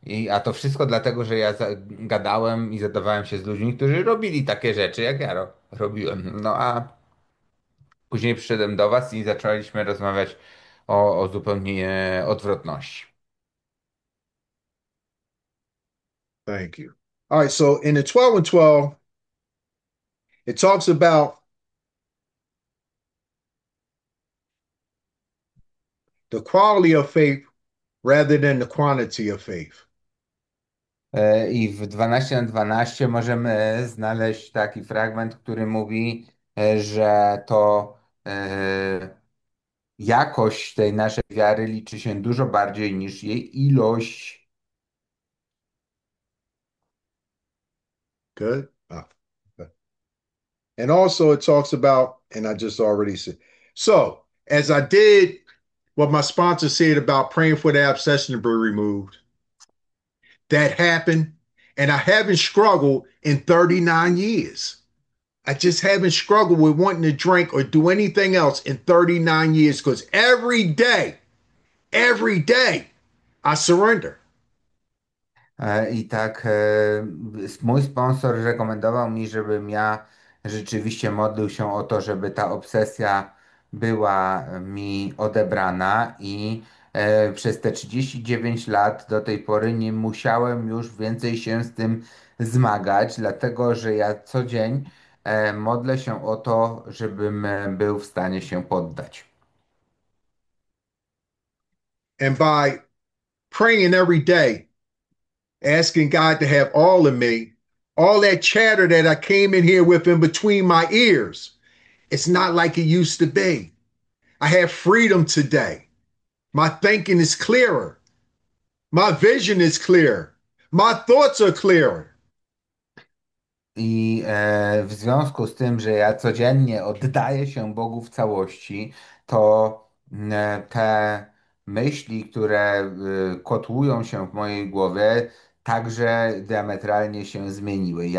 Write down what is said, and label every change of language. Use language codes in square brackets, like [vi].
[pl] A to wszystko dlatego, że ja gadałem i zadawałem się z ludźmi, którzy robili takie rzeczy, jak ja robiłem. No a później przyszedłem do was i zaczęliśmy rozmawiać o zupełnie odwrotności. [en] Thank you. All right, so in the 12 and 12, it talks about the quality of faith rather than the quantity of faith. [pl] I w 12 na 12 możemy znaleźć taki fragment, który mówi, że to jakość tej naszej wiary liczy się dużo bardziej niż jej ilość. [en] Good. And also, it talks about, and I just already said, so as I did what my sponsor said about praying for the obsession to be removed, that happened. And I haven't struggled in 39 years. I just haven't struggled with wanting to drink or do anything else in 39 years because every day, I surrender. [pl] I tak mój sponsor rekomendował mi, żebym ja rzeczywiście modlił się o to, żeby ta obsesja była mi odebrana i przez te 39 lat do tej pory nie musiałem już więcej się z tym zmagać, dlatego że ja co dzień modlę się o to, żebym był w stanie się poddać. [en] And by praying every day, asking God to have all of me, all that chatter that I came in here with in between my ears, it's not like it used to be. I have freedom today. My thinking is clearer. My vision is clearer. My thoughts are clearer. [pl] I w związku z tym, że ja codziennie oddaję się Bogu w całości, to te myśli, które kotłują się w mojej głowie, także diametralnie się zmieniły.